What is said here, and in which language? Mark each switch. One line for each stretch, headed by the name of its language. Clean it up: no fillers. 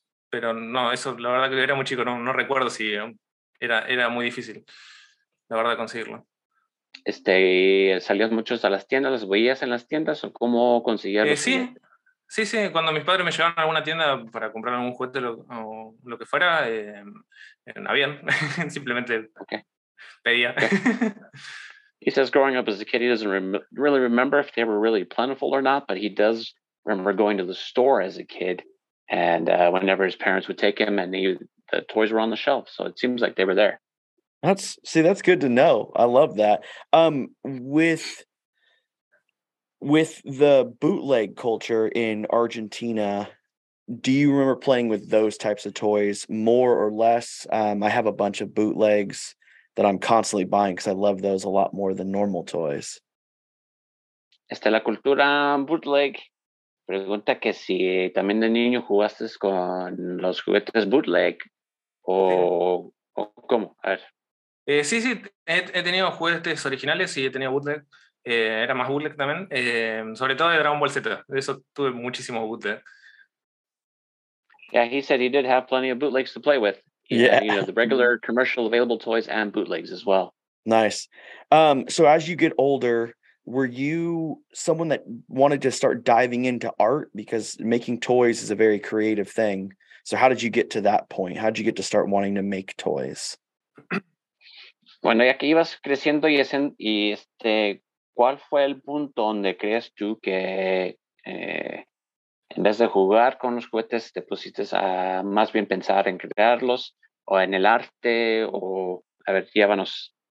Spanish: Pero no, eso la verdad que era muy chico, no recuerdo si era muy difícil, la verdad, conseguirlo. ¿Salías muchos a las tiendas? ¿Las veías en las tiendas o cómo conseguías? Sí, cuando mis padres me llevaban a alguna tienda para comprar algún juguete o lo que fuera, habían, simplemente pedía.
English: He says growing up as a kid, he doesn't really remember if they were really plentiful or not, but he does remember going to the store as a kid and whenever his parents would take him and the toys were on the shelf. So it seems like they were there. That's good to know. I love that. With the bootleg culture in Argentina, do you remember playing with those types of toys more or less? I have a bunch of bootlegs that I'm constantly buying because I love those a lot more than normal toys.
Spanish: La cultura bootleg pregunta que si también de niño jugaste con los juguetes bootleg o cómo. A ver. Sí, he tenido juguetes originales y he tenido bootleg. Era más bootleg también. Sobre todo de Dragon Ball Z. De eso tuve muchísimo bootleg.
English: Yeah, he said he did have plenty of bootlegs to play with. Yeah. You know, the regular commercial available toys and bootlegs as well. Nice. So as you get older, were you someone that wanted to start diving into art? Because making toys is a very creative thing. So how did you get to that point? How did you get to start wanting to make toys?
Spanish: Bueno, ya que ibas creciendo y ¿cuál fue el punto donde crees tú que en vez de jugar con los juguetes te pusiste a más bien pensar en crearlos o en el arte o a ver, llévanos?